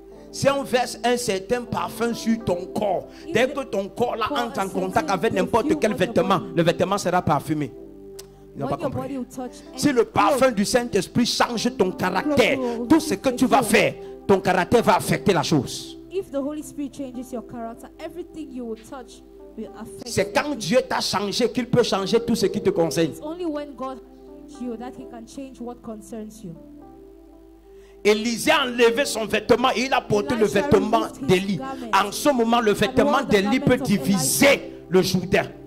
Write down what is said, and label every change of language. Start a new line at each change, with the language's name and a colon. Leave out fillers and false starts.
French: Si on verse un certain parfum sur ton corps, dès que ton corps là entre en contact avec n'importe quel vêtement, le vêtement sera parfumé. Ils n'ont pas compris. Si le parfum du Saint-Esprit change ton caractère, tout ce que tu vas faire, ton caractère va affecter la chose.
English: If the Holy Spirit changes your character, everything you will touch will affect.
French: C'est quand Dieu t'a changé qu'il peut changer tout ce qui te concerne.
English: It's only when God changes you that he can change what concerns you.
French: Élisée a enlevé son vêtement et il a porté Elijah le vêtement d'Élie. En ce moment, le vêtement d'Élie peut diviser le Jourdain.